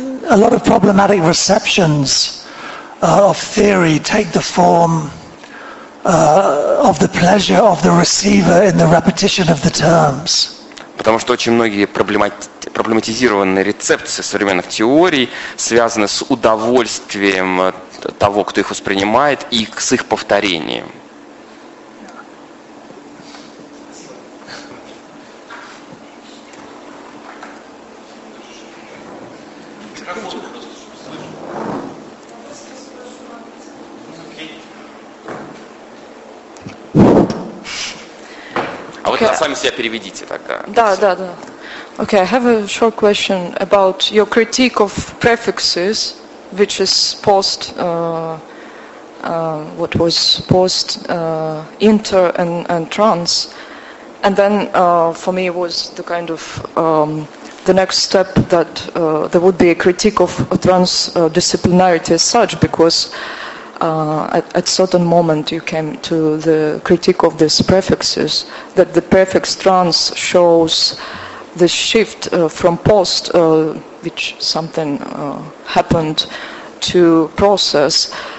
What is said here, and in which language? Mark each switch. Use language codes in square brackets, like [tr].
[en] A lot of problematic receptions of theory take the form of the pleasure of the receiver in the repetition of the terms. [ru] Потому что очень многие проблематизированные рецепции современных теорий связаны с удовольствием того, кто их воспринимает, и с их повторением. Yeah. Вот, на сами себя переведите тогда. Да, да, да. [en] Okay, I have a short question about your critique of prefixes, which is post, what was post, inter and trans. And then for me it was the kind of the next step that there would be a critique of transdisciplinarity as such, because at a certain moment you came to the critique of these prefixes, that the prefix trans shows the shift from post, which something happened, to process.